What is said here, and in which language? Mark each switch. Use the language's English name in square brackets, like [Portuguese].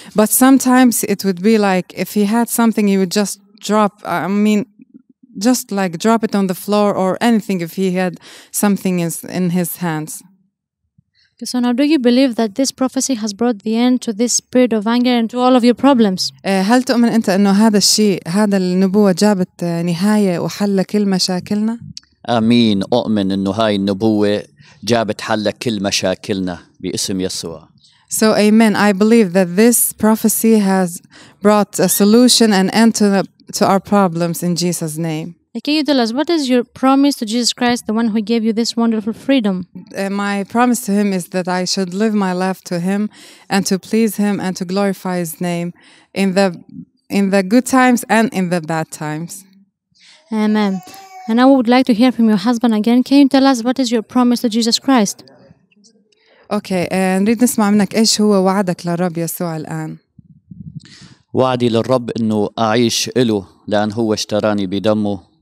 [English] But sometimes it would be like if he had something, he would just drop. I mean, just like drop it on the floor or anything if he had something in his hands. So now, do you believe that this prophecy has brought the end to this spirit of anger and to all of your problems? [Arabic] هل تؤمن أنت أنه هذا الشيء هذا النبوة جابت نهاية وحل كل مشاكلنا؟ آمين. أؤمن أنه هاي النبوة جابت حل كل مشاكلنا باسم يسوع. [English] So amen. I believe that this prophecy has brought a solution and end to our problems in Jesus' name. Can you tell us, what is your promise to Jesus Christ, the one who gave you this wonderful freedom? My promise to him is that I should live my life to him and to please him and to glorify his name in the good times and in the bad times. Amen. And I would like to hear from your husband again. Can you tell us, what is your promise to Jesus Christ? [Arabic] Okay, نريد نسمع منك إيش هو وعدك للرب يسوع الآن. وعدي للرب إنه أعيش إله لأن هو اشتراني بدمه.